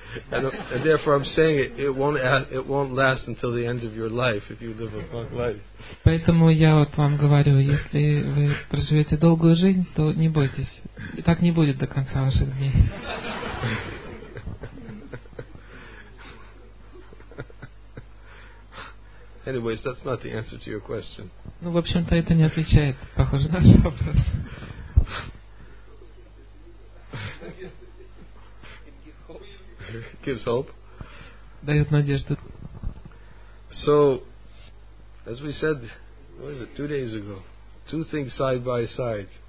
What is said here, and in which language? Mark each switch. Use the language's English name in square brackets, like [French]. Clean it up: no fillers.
[English] And therefore, I'm saying it won't last until the end of your life if you live a long life. [Russian] Поэтому я вот вам говорю, если вы проживете долгую жизнь, то не бойтесь, так не будет до конца ваших дней. [English] Anyways, that's not the answer to your question. [Russian] Ну, в общем-то, это не отвечает, похоже, на ваш вопрос. [English] Gives hope. [Russian] Дает надежду. [English] So, as we said, what is it, 2 days ago, two things side by side.